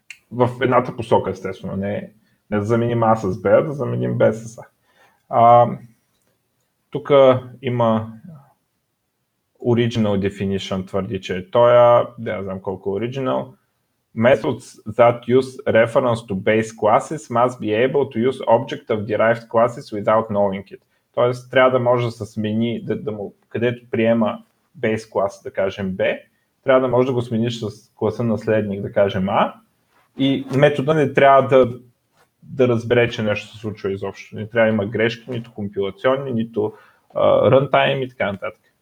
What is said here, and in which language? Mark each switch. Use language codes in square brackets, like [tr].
[bg] В едната посока, естествено, не да заменим А с Б, а да заменим Б с А. Тук има [en] original definition, [bg] твърди, че той е, не знам колко е original. [en] Methods that use reference to base classes must be able to use object of derived classes without knowing it. [bg] Тоест, трябва да може да се смени, да му, където приема base class, да кажем B, трябва да може да го смениш с класа наследник, да кажем A, и метода не трябва да разбере, че нещо се случва изобщо. Не трябва да има грешки, нито компилационни, нито runtime и така нататък.